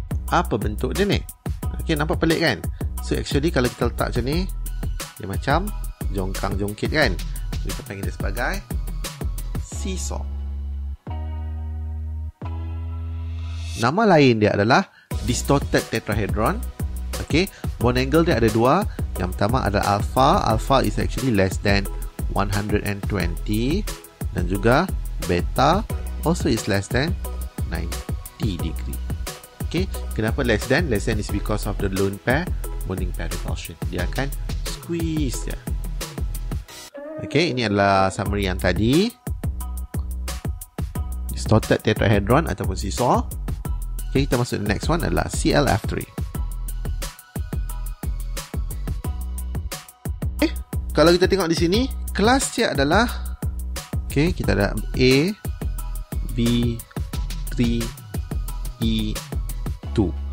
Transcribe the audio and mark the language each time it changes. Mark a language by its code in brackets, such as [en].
[ms] Apa bentuk dia ni? Okay, nampak pelik kan? So actually kalau kita letak macam ni, dia macam jongkang jongkit kan? So, kita panggil dia sebagai seesaw. Nama lain dia adalah distorted tetrahedron. Okay, bond angle dia ada dua. Yang pertama adalah alpha. [en] Alpha is actually less than 120. [ms] Dan juga beta [en] also is less than 90 degree. [ms] Okay, kenapa [en] less than? Less than is because of the lone pair bonding pair repulsion. [ms] Dia akan squeeze dia. Okay, ini adalah summary yang tadi. Distorted tetrahedron ataupun seesaw. Okay, kita masuk ke next one adalah CLF3. Okay, kalau kita tengok di sini, kelas dia adalah, okay, kita ada A, B, 3, E, 2.